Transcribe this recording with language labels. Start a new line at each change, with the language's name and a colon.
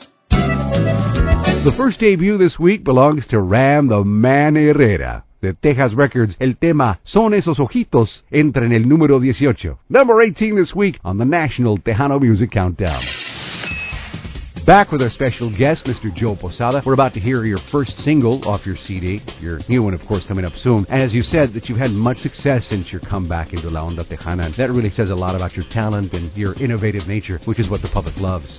English: The first debut this week belongs to Ram the Man Herrera de Texas Records.
Spanish: El tema Son Esos Ojitos entra en el número 18.
English: Number 18 this week on the National Tejano Music Countdown. Back with our special guest, Mr. Joe Posada. We're about to hear your first single off your CD. Your new one, of course, coming up soon. And as you said, that you've had much success since your comeback into La Onda Tejana. That really says a lot about your talent and your innovative nature, which is what the public loves.